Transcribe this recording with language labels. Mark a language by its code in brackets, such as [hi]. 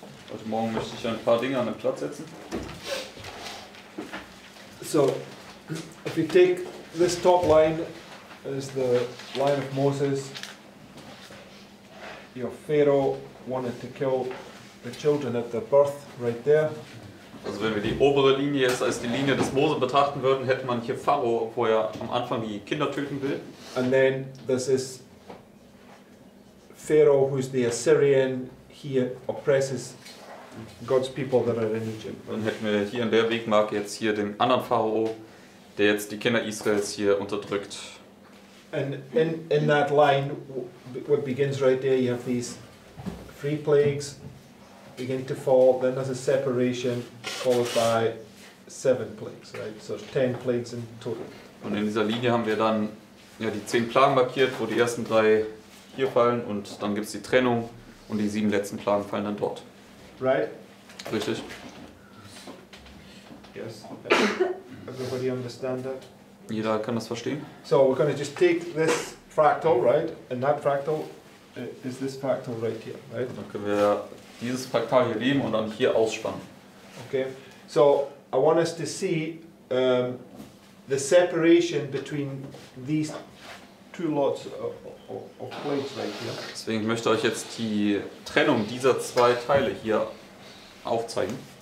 [de] Heute Morgen möchte ich ein paar Dinge an den Platz setzen. [en] So, if you take this top line as the line of Moses, your Pharaoh wanted to kill the children at their birth, right there. [de] Also wenn wir die obere Linie jetzt als die Linie des Mose betrachten würden, hätte man hier Pharaoh, wo er am Anfang die Kinder töten will. [en] And then this is Pharaoh, who's the Assyrian, he oppresses God's people that are in Egypt. [de] Dann hätten wir hier in der Wegmarke jetzt hier den anderen Pharao, der jetzt die Kinder Israels hier unterdrückt. [en] And in that line, what begins right there, you have these three plagues begin to fall. Then there's a separation followed by seven plagues, right? So 10 plagues in total. [de] Und in dieser Linie haben wir dann ja die 10 Plagen markiert, wo die ersten drei hier fallen und dann gibt's die Trennung und die 7 letzten Plagen fallen dann dort. [en] Right? [de] Richtig. [en] Yes. Everybody understand that? [de] Jeder kann das verstehen. [en] So we're going to just take this fractal, right? And that fractal is this fractal right here, right? [de] Dann können wir dieses Fraktal hier nehmen und dann hier ausspannen. [en] Okay. So I want us to see the separation between these two lots of plates right here. [de] Deswegen möchte ich euch jetzt die Trennung dieser zwei Teile hier aufzeigen.